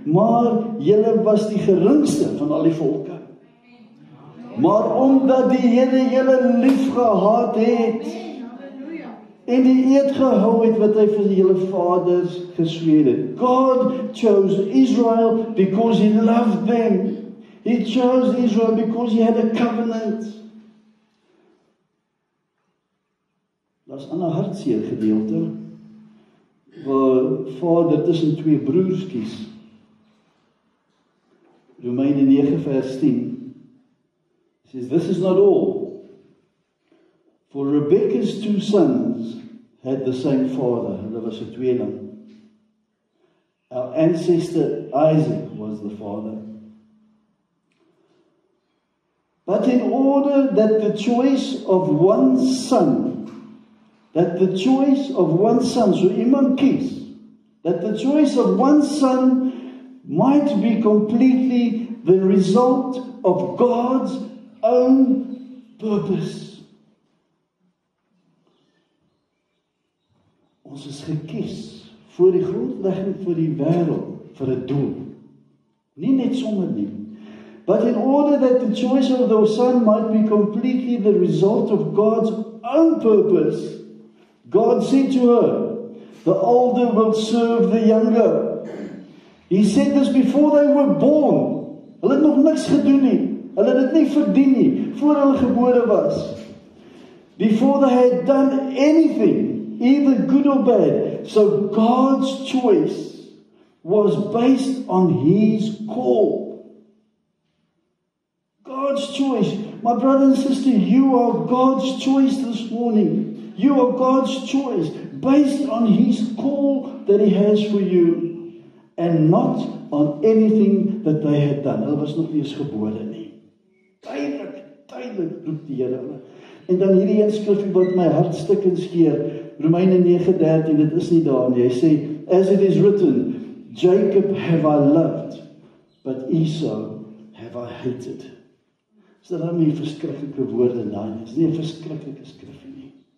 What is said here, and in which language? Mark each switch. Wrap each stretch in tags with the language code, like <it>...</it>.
<af>Maar julle was die geringste van al die volke. Maar omdat die Here julle lief gehad het en die eed gehou het wat hy vir julle vaders gesweer het.</af> <en>God chose Israel because he loved them. He chose Israel because he had a covenant.</en> <af>Daar's 'n hartseer gedeelte waar vader tussen twee broers kies. Romeine 9 vers 10.</af> <en>He says, this is not all. For Rebekah's two sons had the same father.</en> <af>Hulle was 'n tweeling.</af> <en>Our ancestor Isaac was the father. But in order that the choice of one son,</en> <af>so iemand kies,</af> <en>that the choice of one son might be completely the result of God's own purpose.</en> <af>Ons is gekies voor die grondlegging vir die wêreld vir 'n doel. Nie net sommer nie.</af> <en>But in order that the choice of the son might be completely the result of God's own purpose, God said to her, the older will serve the younger. He said this before they were born.</en> <af>Hulle het nog niks gedoen nie. Hulle het dit nie verdien nie voor hulle gebore was.</af> <en>Before they had done anything, either good or bad. So God's choice was based on his call. God's choice. My brother and sister, you are God's choice this morning. You are God's choice based on his call that he has for you and not on anything that they had done.</en> <af>Hulle was nog nie eens gebore nie. Tydelik roep die Here hulle. En dan hierdie een skrifgie wat my hart stik en skeer. Romeine 9:13, dit is nie daar nie. Hy sê,</af> <en>as it is written, Jacob have I loved, but Esau have I hated.</en> <af>Is dit dan nie verskriklike woorde daai nie? Is nie 'n verskriklike skrifgie nie.</af>